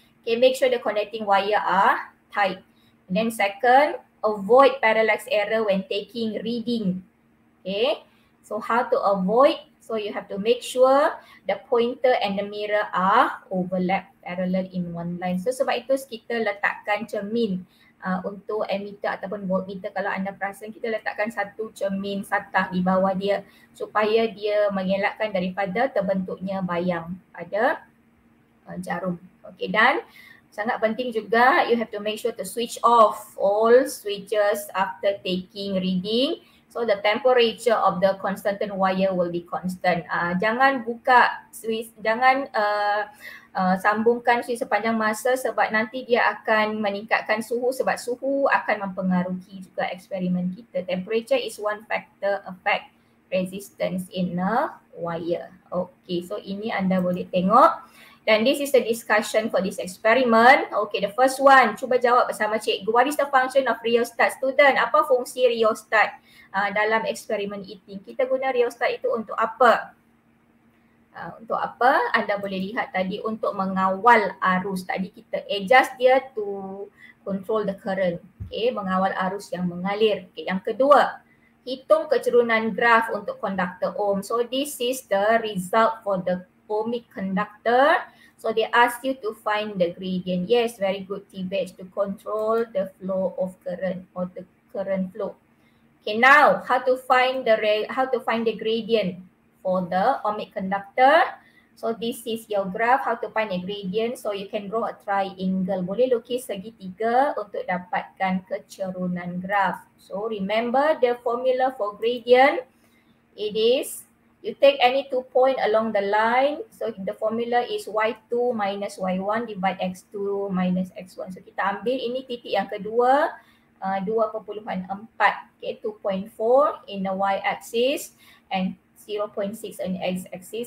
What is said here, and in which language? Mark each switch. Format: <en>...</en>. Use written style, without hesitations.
<en>Okay, make sure the connecting wire are tight. And then second, avoid parallax error when taking reading. Okay, so how to avoid? So you have to make sure the pointer and the mirror are overlap parallel in one line.</en> <ms>So sebab itu kita letakkan cermin untuk ammeter ataupun voltmeter. Kalau anda perasan, kita letakkan satu cermin satah di bawah dia supaya dia mengelakkan daripada terbentuknya bayang pada jarum.</ms> <en>Okay,</en> <ms>dan sangat penting juga,</ms> <en>you have to make sure to switch off all switches after taking reading. So the temperature of the constant wire will be constant.</en> <ms>Jangan buka switch, jangan sambungkan switch sepanjang masa sebab nanti dia akan meningkatkan suhu, sebab suhu akan mempengaruhi juga eksperimen kita.</ms> <en>Temperature is one factor affect resistance in a wire.</en> <ms>Okay, so ini anda boleh tengok.</ms> <en>Then this is the discussion for this experiment. Okay, the first one,</en> <ms>cuba jawab bersama cikgu.</ms> <en>What is the function of rheostat?</en> <ms>Student, apa fungsi rheostat dalam eksperimen ini? Kita guna rheostat itu untuk apa? Untuk apa? Anda boleh lihat tadi, untuk mengawal arus. Tadi kita adjust dia</ms> <en>to control the current.</en> <ms>Okay, mengawal arus yang mengalir. Okay, yang kedua, hitung kecerunan graf untuk konduktor ohm.</ms> <en>So this is the result for the ohmic conductor. So they ask you to find the gradient. Yes, very good, T-Batch, to control the flow of current or the current flow. Okay, now how to find the gradient for the ohmic conductor. So this is your graph, how to find the gradient. So you can draw a triangle.</en> <ms>Boleh lukis segitiga untuk dapatkan kecerunan graf.</ms> <en>So remember the formula for gradient. It is, you take any two point along the line. So the formula is Y2 minus Y1 divide X2 minus X1.</en> <ms>So kita ambil ini titik yang kedua, 2.4.</ms> <en>Okay, 2.4 in the Y-axis and 0.6 in the X-axis.</en>